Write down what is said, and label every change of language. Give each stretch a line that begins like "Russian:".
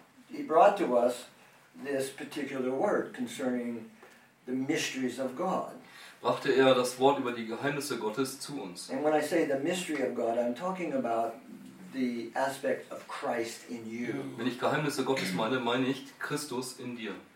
English: He brought to us this particular word concerning the mysteries of God.
German: brachte er das Wort über die Geheimnisse Gottes zu uns.
English: And when I say the mystery of God, I'm talking about the aspect of Christ in you.
German: Wenn ich Geheimnisse Gottes meine, meine ich Christus in dir.